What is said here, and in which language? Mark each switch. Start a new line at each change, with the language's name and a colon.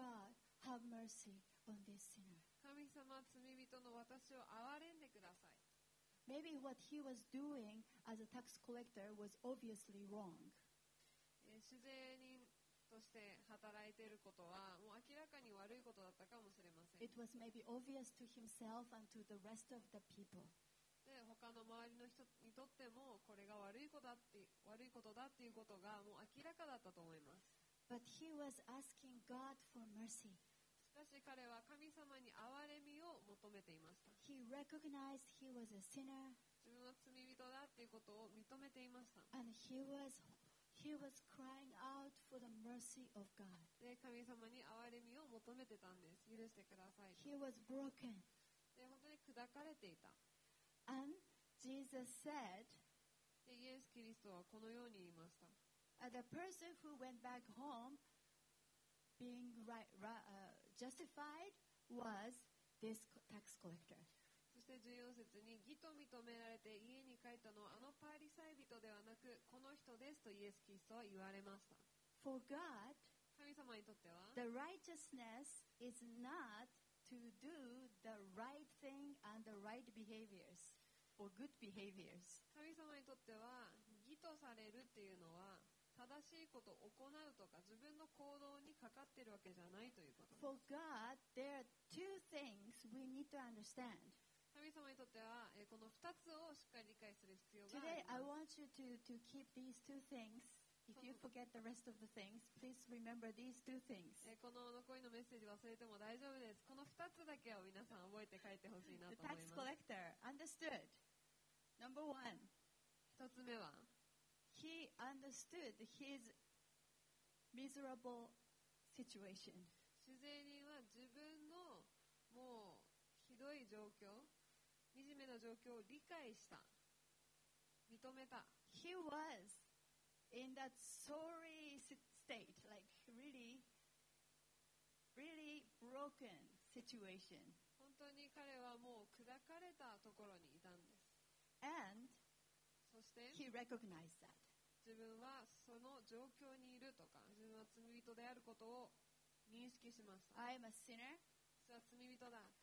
English: God, have mercy on this sinner.
Japanese: 神様、罪人の私を憐れんでください。
English: Maybe what he was doing as a tax collector was obviously wrong.
Japanese: 主税人として働いていることはもう明らかに悪いことだったかもしれません。
English: It was maybe obvious to himself and to the rest of the people.
Japanese: で、他の周りの人にとってもこれが悪いことだっていうことがもう明らかだったと思います。
English: But he was asking God for mercy.
Japanese: しかし彼は神様に憐れみを求めていました。
English: He recognized he was a sinner.
Japanese: 自分は罪人だっていうことを認めていました。
English: And he was crying out for the mercy of God.
Japanese: で、神様に憐れみを求めてたんです。許してくださいと。
English: He was broken.
Japanese: で、本当に砕かれていた。
English: And Jesus said,
Japanese: で、イエス・キリストはこのように言いました。
English: The person who went back home being justified was this tax collector.
Japanese: そして14節に義と認められて家に帰ったのはあのパリサイ人ではなくこの人ですとイエエス・キリストは言われました。
English: For God,
Japanese: 神様にとっては、
English: the righteousness is not to do the right thing and the right behaviors or good behaviors.
Japanese: 神様にとっては、義とされるっていうのは、正しいことを行うとか自分の行動にかかってるわけじゃないということです。
English: For God, there are two things we need to understand.
Japanese: 神様にとってはこの2つをしっかり理解する必要があります。
English: Today, I want you to keep these two things. If you forget the rest of the things, please remember these two things.
Japanese: この残りのメッセージ忘れても大丈夫です。この2つだけを皆さん覚えて帰ってほしいなと思います。
English: The tax collector understood. Number one.
Japanese: 1つ目は
English: He understood his miserable situation.
Japanese: 主税人は自分のもうひどい状況惨めな状況を理解した認めた
English: He was in that sorry state like really really broken situation
Japanese: 本当に彼はもう砕かれたところにいたんです
English: And
Japanese: そして
English: He recognized that
Japanese: 自分はその状況にいるとか自分は罪人であることを認識しました
English: I am a sinner
Japanese: 私は罪人だ